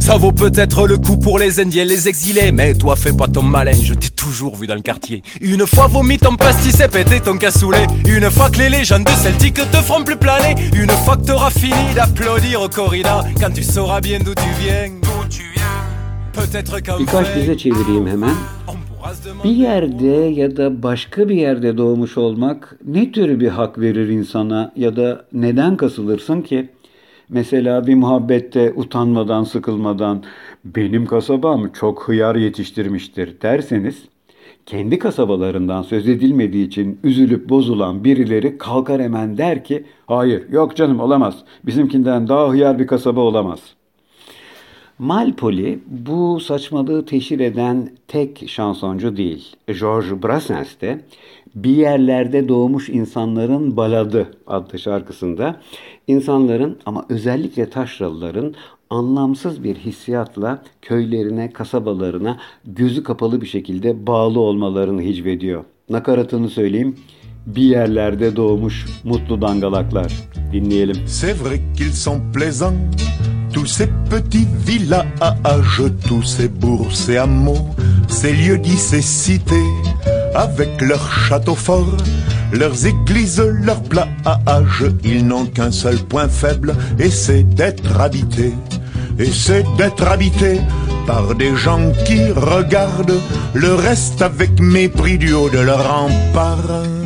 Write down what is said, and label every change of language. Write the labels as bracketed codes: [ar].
[fr] Ça vaut peut-être le coup pour les Indiens, les exilés. Mais toi fais pas ton malin, je t'ai toujours vu dans le quartier. Une fois vomi ton pastis et pété ton cassoulet. Une fois que les légendes celtiques te feront plus planer. Une fois que t'auras fini d'applaudir au corrida. Quand tu sauras bien d'où tu viens. D'où tu viens. Peut-être comme [tr] birkaç bize çevireyim hemen. Bir yerde ya da başka bir yerde doğmuş olmak ne tür bir hak verir insana ya da neden kasılırsın ki? Mesela bir muhabbette utanmadan, sıkılmadan "benim kasabam çok hıyar yetiştirmiştir" derseniz, kendi kasabalarından söz edilmediği için üzülüp bozulan birileri kalkar hemen der ki, "hayır, yok canım, olamaz. Bizimkinden daha hıyar bir kasaba olamaz." Malpoli bu saçmalığı teşhir eden tek şansoncu değil. Georges Brassens de "Bir Yerlerde Doğmuş İnsanların Baladı" adlı şarkısında insanların, ama özellikle taşralıların, anlamsız bir hissiyatla köylerine, kasabalarına gözü kapalı bir şekilde bağlı olmalarını hicvediyor. Nakaratını söyleyeyim. "Bir yerlerde doğmuş mutlu dangalaklar." Dinleyelim. [fr] C'est vrai qu'ils sont plaisants, tous ces petits villages, tous ces bourgs, ces hameaux, ces lieux-dits, ces cités, avec leurs châteaux forts, leurs églises, leurs plages. Ils n'ont qu'un seul point faible, et c'est d'être habité, et c'est d'être habité par des gens qui regardent le reste avec mépris du haut de leurs remparts.